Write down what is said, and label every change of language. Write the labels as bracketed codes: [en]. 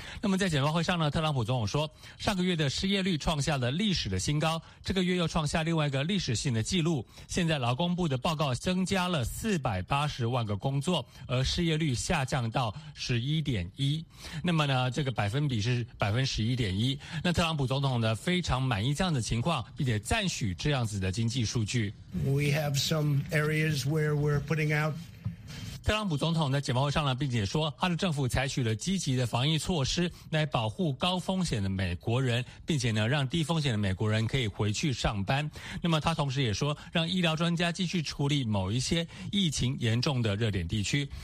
[zh] 那么在简报会上呢，特朗普总统说，上个月的失业率创下了历史的新高，这个月又创下另外一个历史性的记录。现在劳工部的报告增加了480万个工作，而失业率下降到 11.1%。那么呢，这个百分比是 11.1%。那特朗普总统呢，非常满意这样的情况，并且赞许这样子的经济数据。 [en] We have some areas where we're putting out。 [zh] 特朗普总统在简报会上呢，并且说他的政府采取了积极的防疫措施来保护高风险的美国人，并且呢让低风险的美国人可以回去上班。那么他同时也说让医疗专家继续处理某一些疫情严重的热点地区。